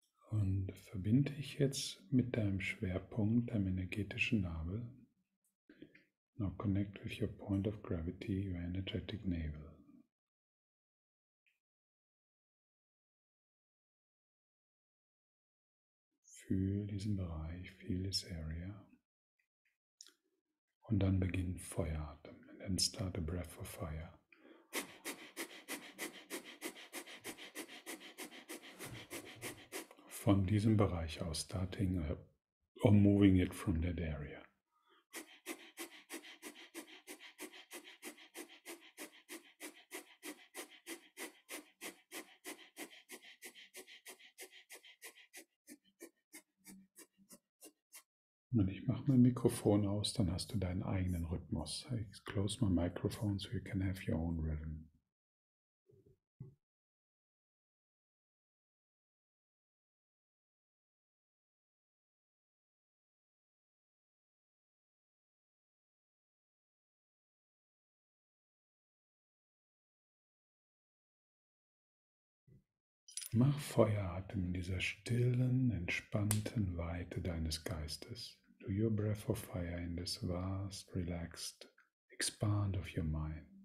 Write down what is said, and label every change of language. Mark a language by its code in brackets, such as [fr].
[de] Und verbinde dich jetzt mit deinem Schwerpunkt, deinem energetischen Navel. [en] Now connect with your point of gravity, your energetic navel. [de] Fühl diesen Bereich, [en] feel this area. [de] Und dann beginn Feueratem. [en] And then start a breath of fire. [de] Von diesem Bereich aus, [en] starting or moving it from that area. [de] Und ich mache mein Mikrofon aus, dann hast du deinen eigenen Rhythmus. [en] I close my microphone so you can have your own rhythm. [de] Mach Feueratem in dieser stillen, entspannten Weite deines Geistes. [en] Do your breath of fire in this vast, relaxed expand of your mind.